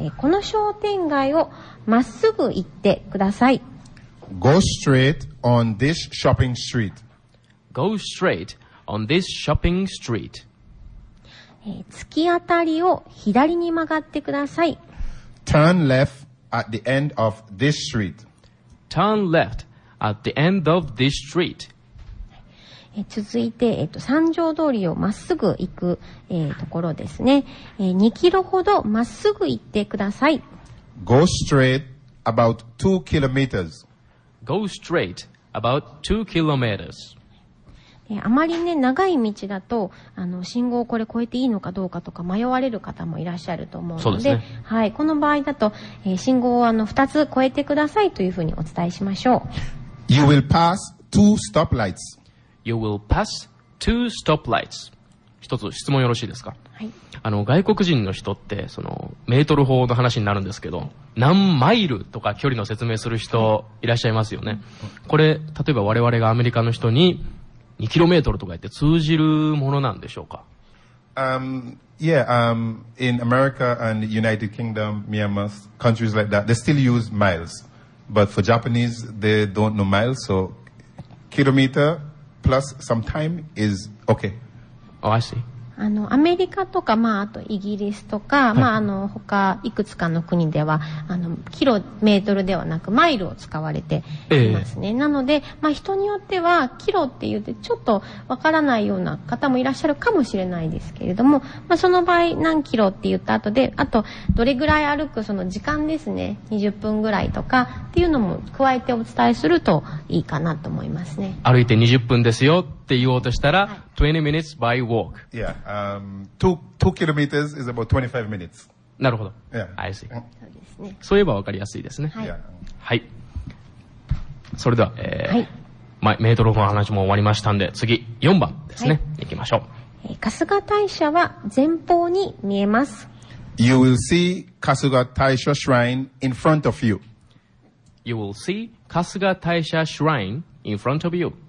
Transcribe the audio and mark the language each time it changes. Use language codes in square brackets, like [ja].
[ja] この商店街をまっすぐ行ってください。 [en] Go straight on this shopping street. Go straight on this shopping street. [ja] 突き当たりを左に曲がってください。 [en] Turn left at the end of this street. Turn left at the end of this street. [ja] 続いて、三条通りをまっすぐ行く、ところですね、2キロほどまっすぐ行ってください。 [en] Go straight about 2 kilometers. Go straightabout 2 kilometers. [ja] あまりね長い道だと、あの信号をこれ越えていいのかどうかとか迷われる方もいらっしゃると思うので、そうですね、はい、この場合だと、信号をあの2つ越えてくださいというふうにお伝えしましょう。 [en] You will pass two stoplights. You will pass two stoplights. [ja] 一つ質問よろしいですか。はい、あの外国人の人ってそのメートル法の話になるんですけど、何マイルとか距離の説明する人いらっしゃいますよね。これ例えば我々がアメリカの人に2キロメートルとか言って通じるものなんでしょうか。 [en] In America and United Kingdom, Myanmar, countries like that, they still use miles. But for Japanese, they don't know miles, so kilometer plus some time is okay. Oh, I see. [ja] あのアメリカとか、まあ、あとイギリスとか、はい、まあ、あの他いくつかの国ではあのキロメートルではなくマイルを使われていますね、なので、まあ、人によってはキロって言ってちょっとわからないような方もいらっしゃるかもしれないですけれども、まあ、その場合何キロって言った後で、あとどれぐらい歩くその時間ですね、20分ぐらいとかっていうのも加えてお伝えするといいかなと思いますね。歩いて20分ですよって言おうとしたら、はい、 [en] 20 minutes by walk. Yeah, 2 kilometers is about 25 minutes. [ja] なるほど。 [en] Yeah. I see. [ja] そういえば分かりやすいですね。はい。はい、それでは、はい、メートル法の話も終わりましたんで、次、4番ですね。はい、行きましょう。春日大社は前方に見えます。 [en] You will see 春日大社 shrine in front of you. You will see 春日大社 shrine in front of you.